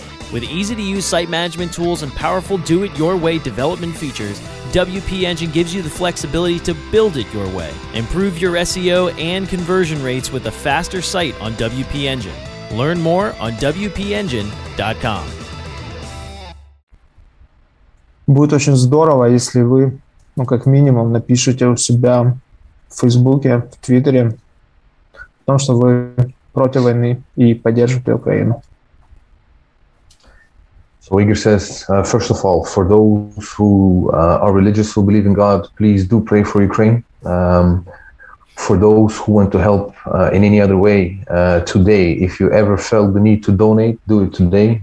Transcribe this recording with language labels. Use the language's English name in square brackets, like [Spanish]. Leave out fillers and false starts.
[English] With easy-to-use site management tools and powerful do-it-your-way development features, WP Engine gives you the flexibility to build it your way. Improve your SEO and conversion rates with a faster site on WP Engine. Learn more on WPEngine.com. [Russian] Будет очень здорово, если вы, ну, как минимум, напишите у себя в Фейсбуке, в Твиттере о том, что вы против войны и поддерживаете Украину. [English] So Igor says, first of all, for those who are religious, who believe in God, please do pray for Ukraine. For those who want to help in any other way, today, if you ever felt the need to donate, do it today.